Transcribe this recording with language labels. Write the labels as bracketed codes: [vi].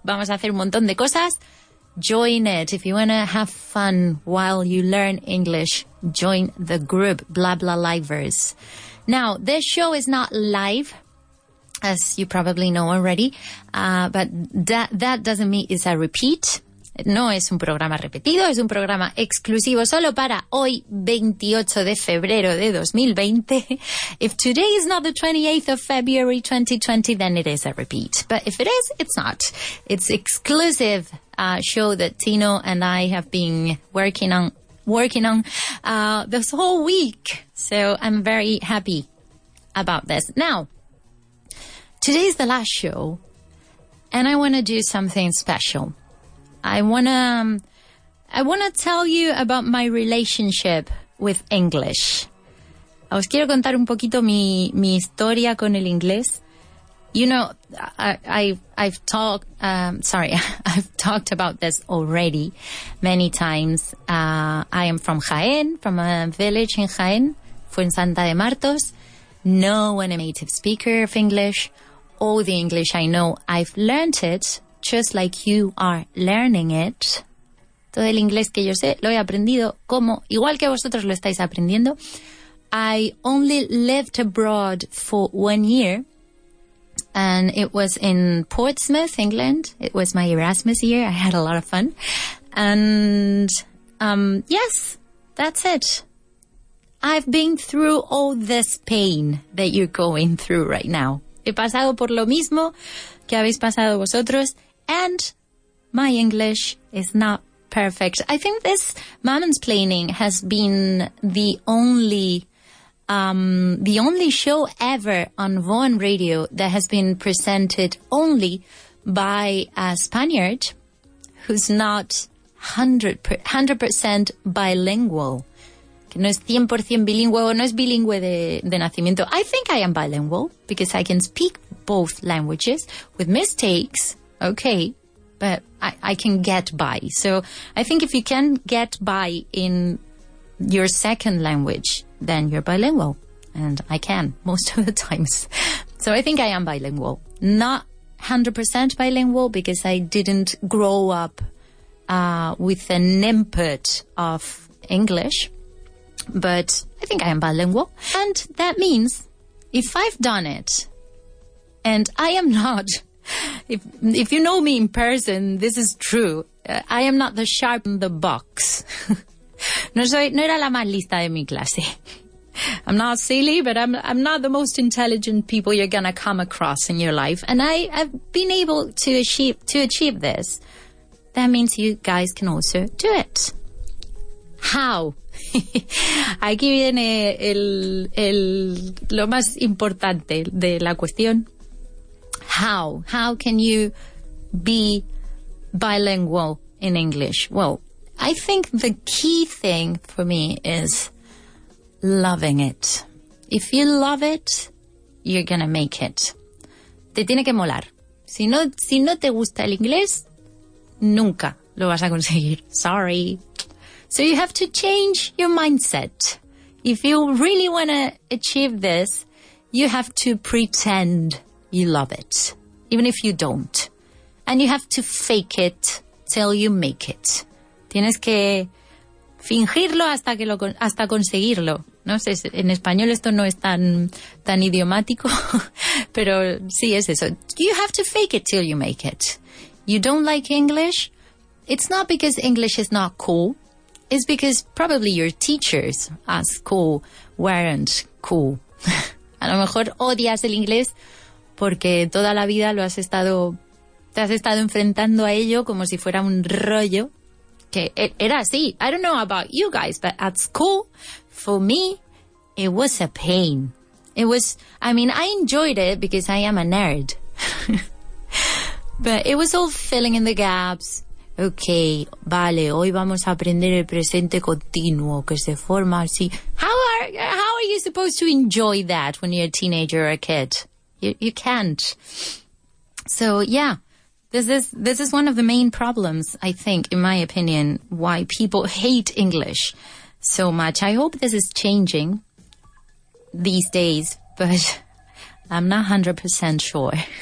[es] Vamos a hacer un montón de cosas. [en] Join it. If you want to have fun while you learn English, join the group, Blah Blah Livers. Now, this show is not live, as you probably know already, but that doesn't mean it's a repeat. [es] No es un programa repetido, es un programa exclusivo solo para hoy, 28 de febrero de 2020. [en] If today is not the 28th of February 2020, then it is a repeat. But if it is, it's not. It's exclusive show that Tino and I have been working on this whole week. So I'm very happy about this. Now, today's the last show, and I want to do something special. I want to tell you about my relationship with English. [es] Os quiero contar un poquito mi historia con el inglés. [en] You know, I've talked about this already many times. I am from Jaén, from a village in Jaén, Fuensanta de Martos. No one a native speaker of English. All the English I know, I've learned it just like you are learning it. [es] Todo el inglés que yo sé, lo he aprendido como igual que vosotros lo estáis aprendiendo. [en] I only lived abroad for 1 year, and it was in Portsmouth, England. It was my Erasmus year. I had a lot of fun. And yes, that's it. I've been through all this pain that you're going through right now. [es] He pasado por lo mismo que habéis pasado vosotros, [en] and my English is not perfect. I think this Mammon's Planning has been the only show ever on Vaughan Radio that has been presented only by a Spaniard who's not 100% bilingual. [es] Que no es 100% bilingüe o no es bilingüe de nacimiento. [en] I think I am bilingual because I can speak both languages with mistakes, okay, but I can get by. So I think if you can get by in your second language, then you're bilingual. And I can most of the times. So I think I am bilingual. Not 100% bilingual because I didn't grow up with an input of English. But I think I am bilingual. And that means if I've done it and I am not, if you know me in person, this is true. I am not the sharp in the box. [es] No era la más lista de mi clase. [en] I'm not silly, but I'm not the most intelligent people you're going to come across in your life. And I've been able to achieve this. That means you guys can also do it. How? [es] Aquí viene lo más importante de la cuestión. [en] How can you be bilingual in English? Well, I think the key thing for me is loving it. If you love it, you're gonna make it. [es] Te tiene que molar. Si no te gusta el inglés, nunca lo vas a conseguir. [en] Sorry. So you have to change your mindset. If you really want to achieve this, you have to pretend you love it, even if you don't. And you have to fake it till you make it. [es] Tienes que fingirlo hasta conseguirlo. No sé, en español esto no es tan idiomático, pero sí es eso. [en] You have to fake it till you make it. You don't like English? It's not because English is not cool. It's because probably your teachers at school weren't cool. [es] A lo mejor odias el inglés porque toda la vida te has estado enfrentando a ello como si fuera un rollo. Que era así. [en] I don't know about you guys, but at school, for me, it was a pain. I enjoyed it because I am a nerd. But it was all filling in the gaps. [es] Okay, vale, hoy vamos a aprender el presente continuo que se forma así. [en] How are you supposed to enjoy that when you're a teenager or a kid? You can't. So, yeah. This is one of the main problems, I think, in my opinion, why people hate English so much. I hope this is changing these days, but I'm not 100% sure.